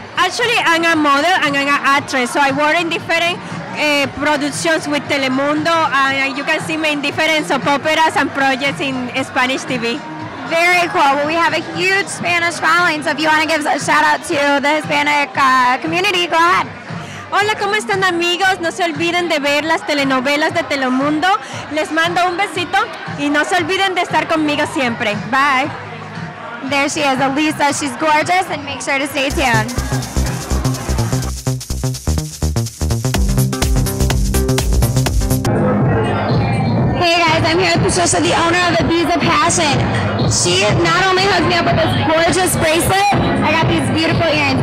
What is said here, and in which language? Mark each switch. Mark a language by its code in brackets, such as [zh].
[en] Actually, I'm a model and I'm an actress. So I work in different productions with Telemundo. And you can see me in different soap operas and projects in Spanish TV. Very cool. Well, we have a huge Spanish following. So if you want to give a shout out to the Hispanic community, go ahead. [es] Hola, ¿cómo están, amigos? No se olviden de ver las telenovelas de Telemundo. Les mando un besito y no se olviden de estar conmigo siempre. [en] Bye. There she is, Elisa. She's gorgeous, and make sure to stay tuned. Hey, guys, I'm here with Patricia, the owner of Ibiza Passion. She not only hooked me up with this gorgeous bracelet, I got these beautiful earrings.